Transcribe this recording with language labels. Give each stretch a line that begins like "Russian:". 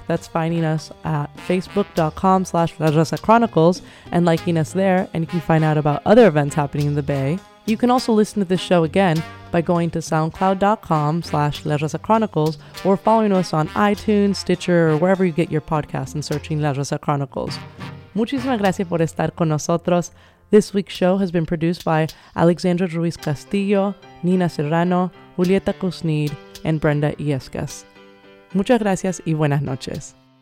English: That's finding us at facebook.com/La Raza Chronicles and liking us there, and you can find out about other events happening in the Bay. You can also listen to this show again by going to soundcloud.com/La Raza Chronicles or following us on iTunes, Stitcher, or wherever you get your podcasts and searching La Raza Chronicles.
Spanish: Muchísimas gracias por estar con nosotros.
English: This week's show has been produced by Alexandra Ruiz Castillo, Nina Serrano, Julieta Kuznid, and Brenda Iescas.
Spanish: Muchas gracias y buenas noches.